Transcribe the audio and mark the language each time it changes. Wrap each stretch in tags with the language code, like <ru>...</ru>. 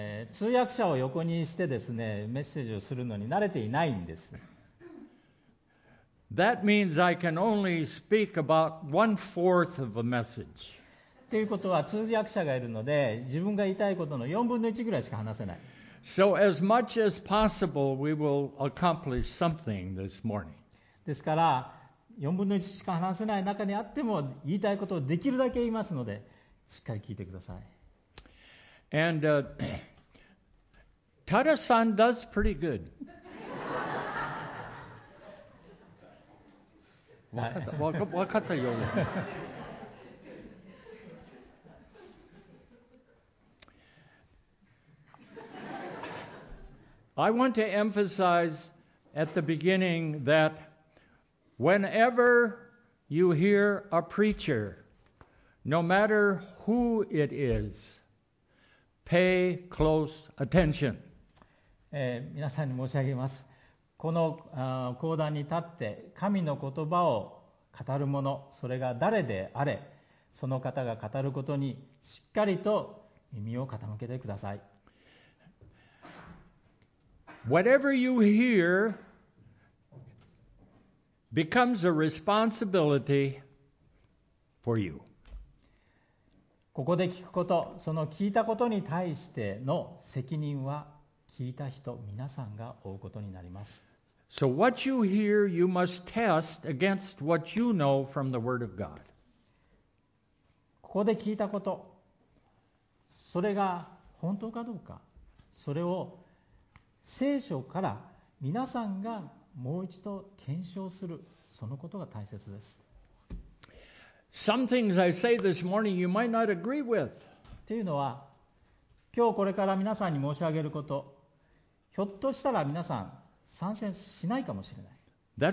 <ja>通訳者を横にしてですね、メッセージをするのに慣れていないんです。</ja> <en>That means I can only speak about one-fourth of a message.</en> <ja>ということは通訳者がいるので、自分が言いたいことの4分の1ぐらいしか話せない。</ja> <en>So as much as possible, we will accomplish something this morning.</en> <ja>ですから、4分の1しか話せない中にあっても、言いたいことをできるだけ言いますので、しっかり聞いてください。</ja> <en>And Tada-san does pretty good.</en> <ja>Wakata yo desu ne.</ja> <en>I want to emphasize at the beginning that whenever you hear a preacher, no matter who it is,Pay close attention.</en> <ja>皆さんに申し上げます。この講壇に立って神の言葉を語る者、それが誰であれ、その方が語ることにしっかりと耳を傾けてください。</ja> <en>Whatever you hear becomes a responsibility for you.</en> <ja>ここで聞くこと、その聞いたことに対しての責任は聞いた人皆さんが負うことになります。</ja> <en>So what you hear, you must test against what you know from the Word of God.</en> <ja>ここで聞いたこと、それが本当かどうか、それを聖書から皆さんがもう一度検証する、そのことが大切です。</ja> <en>Some things I say this morning you might not agree with.</en> <ja>というのは、今日これから皆さんに申し上げること、ひょっとしたら皆さん賛成しないかもしれない。</ja>